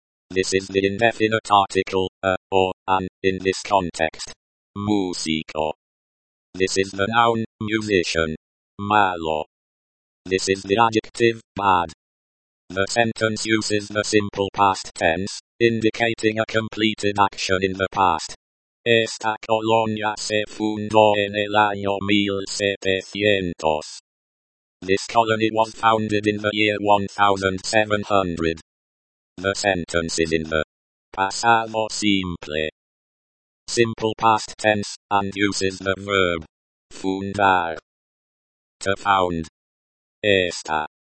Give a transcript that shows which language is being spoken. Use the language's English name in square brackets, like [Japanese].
[English] This is the indefinite article, a, or, an, in this context. Músico. This is the noun, musician. Malo. This is the adjective, bad. The sentence uses the simple past tense, indicating a completed action in the past. [Spanish] Esta colonia se fundó en el año 1700. [English] This colony was founded in the year 1700. The sentence is in the pasado simple. Simple past tense, and uses the verb fundar. To found. Esta.